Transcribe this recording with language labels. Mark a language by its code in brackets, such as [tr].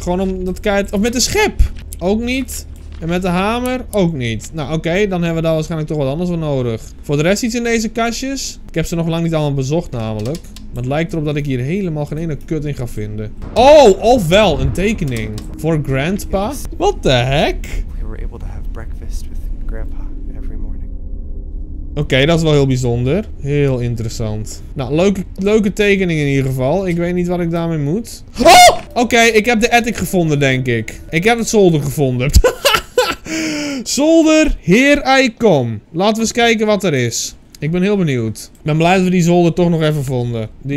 [nl] Gewoon om dat kijk... Of met de schep? Ook niet. En met de hamer? Ook niet. Nou, oké, dan hebben we daar waarschijnlijk toch wat anders voor nodig. Voor de rest iets in deze kastjes? Ik heb ze nog lang niet allemaal bezocht namelijk. Maar het lijkt erop dat ik hier helemaal geen ene kut in ga vinden. Oh, ofwel een tekening. Voor grandpa? [en] What the heck? We were able to have breakfast with grandpa. [nl] Oké, dat is wel heel bijzonder. Heel interessant. Nou, leuke tekening in ieder geval. Ik weet niet wat ik daarmee moet. Oh! Oké, ik heb de attic gevonden, denk ik. Ik heb het zolder gevonden. Zolder, [en] here I come. [nl] Laten we eens kijken wat er is. Ik ben heel benieuwd. Ik ben blij dat we die zolder toch nog even vonden.